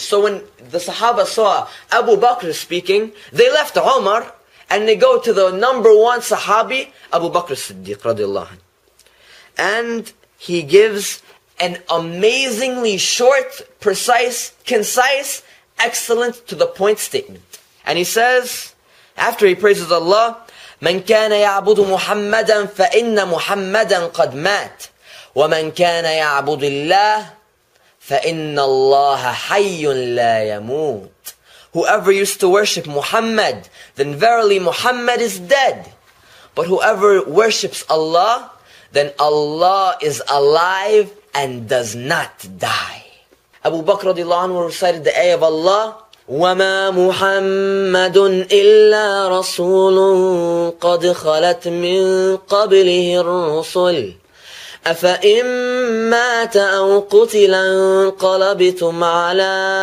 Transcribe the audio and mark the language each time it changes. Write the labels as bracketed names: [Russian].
[English] So when the Sahaba saw Abu Bakr speaking, they left Umar, and they go to the number one Sahabi, Abu Bakr Siddiq, radiallahu anhu. And he gives an amazingly short, precise, concise, excellent to the point statement. And he says, after he praises Allah, [Arabic] مَنْ كَانَ يَعْبُدُ مُحَمَّدًا فَإِنَّ مُحَمَّدًا قَدْ مَاتْ وَمَنْ كَانَ يَعْبُدُ اللَّهِ فَإِنَّ اللَّهَ حَيٌّ لَا يَمُوتْ. [English] Whoever used to worship Muhammad, then verily Muhammad is dead. But whoever worships Allah, then Allah is alive and does not die. Abu Bakr radiallahu anhu recited the ayah of Allah, [Arabic] وَمَا مُحَمَّدٌ إِلَّا رَسُولٌ قَدْ خَلَتْ مِنْ قَبْلِهِ الرُّسُلِ أَفَإِن مَاتَ أَوْ قُتِلَ انْقَلَبْتُمْ عَلَىٰ